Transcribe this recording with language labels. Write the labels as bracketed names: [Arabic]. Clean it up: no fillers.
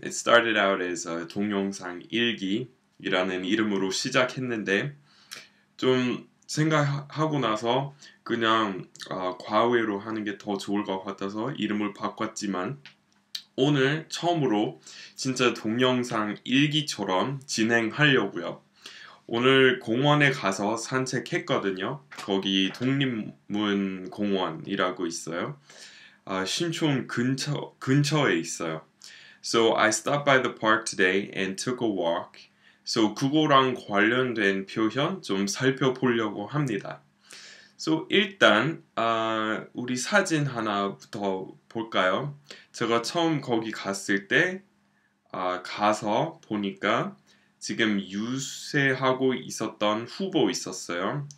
[English] It started out as [Korean] 동영상 일기이라는 이름으로 시작했는데 좀 생각하고 나서 그냥 과외로 하는 게더 좋을 것 같아서 이름을 바꿨지만 오늘 처음으로 진짜 동영상 일기처럼 진행하려고요. 오늘 공원에 가서 산책했거든요. 거기 독립문 공원이라고 있어요. 신촌 근처에 있어요. [English] So I stopped by the park today and took a walk. [Korean] So 그거랑 관련된 표현 좀 살펴보려고 합니다. So 일단 우리 사진 하나부터 볼까요? 제가 처음 거기 갔을 때 가서 보니까 지금 유세하고 있었던 후보 있었어요.